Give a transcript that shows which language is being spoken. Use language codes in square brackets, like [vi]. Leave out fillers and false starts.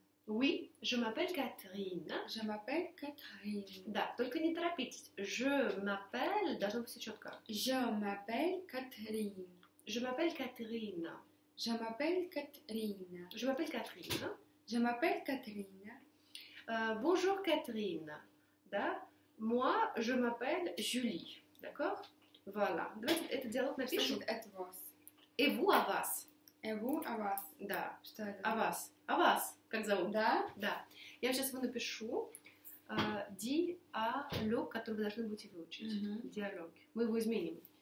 [fr] Oui, je m'appelle Catherine. Je m'appelle Catherine. [ru] Да, только не торопитесь. [fr] Je m'appelle, [ru] должно быть четко. [fr] Je m'appelle Catherine. Je m'appelle Catherine. Je m'appelle Catherine. Je m'appelle Catherine. Je m'appelle Catherine. Bonjour Catherine. Да, moi, je m'appelle Julie. D'accord? Voilà. [ru] Давайте этот диалог напишем. [fr] Et vous? Et vous, à vous? Et vous, à vous? [ru] Да. Что это? [fr] À vous. [ru] А вас, как зовут? Да? Да. Я сейчас его напишу. Диалог, который вы должны будете выучить. Uh-huh. Диалог. Мы его изменим.